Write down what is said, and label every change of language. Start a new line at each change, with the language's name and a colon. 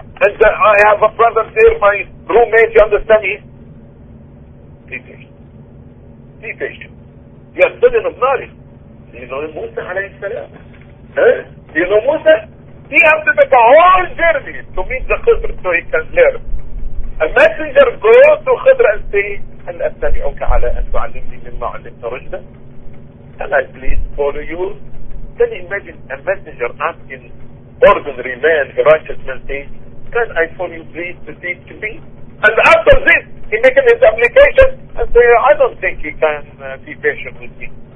English: And I have a brother there, my roommate, you understand me? Be patient. You are studying of knowledge. You know Musa, alayhi salam. You know Musa? He has to make a whole journey to meet the Khidr so he can learn. A messenger goes to Khidr and say,
Arabic: هل أتبعك على أن تعلمني مما علمت رجلا?
English: Can I please follow you? Can you imagine a messenger asking ordinary man, a righteous man, says, can I follow you please to speak to me? And after this, he makes his application and say, I don't think he can be patient with me.